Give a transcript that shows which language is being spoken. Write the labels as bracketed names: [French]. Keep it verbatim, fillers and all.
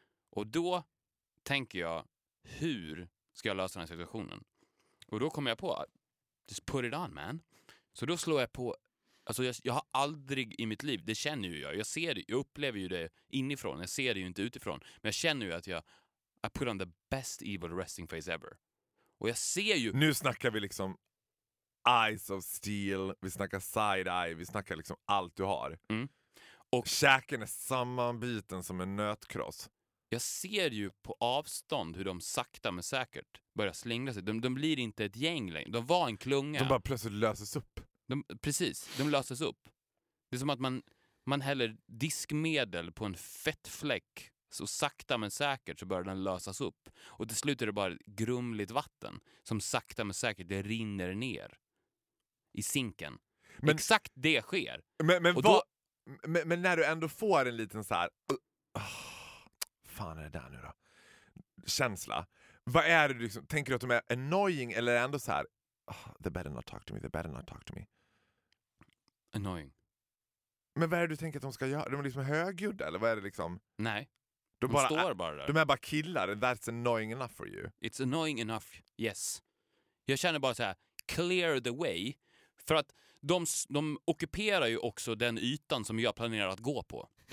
[Swedish] Och då tänker jag, hur ska jag lösa den här situationen? Och då kom jag på, [English] just put it on man. [Swedish] Så då slår jag på... Alltså jag, jag har aldrig i mitt liv, det känner ju jag. Jag, ser det, jag upplever ju det inifrån, jag ser det ju inte utifrån. Men jag känner ju att jag... [English] I put on the best evil resting face ever. [Swedish] Och jag ser ju... Nu snackar vi liksom [English] eyes of steel, [Swedish] vi snackar side-eye, vi snackar liksom allt du har. Mm. Och käken är sammanbiten som en nötkross. Jag ser ju på avstånd hur de sakta men säkert börjar slingra sig. De, de blir inte ett gäng längre. De var en klunga. De bara plötsligt löses upp. De, precis, de löses upp. Det är som att man, man häller diskmedel på en fettfläck. Så sakta men säkert så börjar den lösas upp. Och till slut är det bara grumligt vatten som sakta men säkert det rinner ner i sinken. Men, exakt det sker. Men, men, va, då, men, men när du ändå får en liten så här... Oh, fan är det där nu då? Känsla. Vad är det du liksom... Tänker du att de är annoying eller är ändå så här... [English] Oh, they better not talk to me, they better not talk to me. Annoying. [Swedish] Men vad är det du tänker att de ska göra? De är liksom högljudda eller vad är det liksom? Nej. De, de bara, står bara där. De är bara killar. [English] That's annoying enough for you. It's annoying enough, yes. [Swedish] Jag känner bara så här, [English] clear the way. [Swedish] För att de, de ockuperar ju också den ytan som jag planerar att gå på.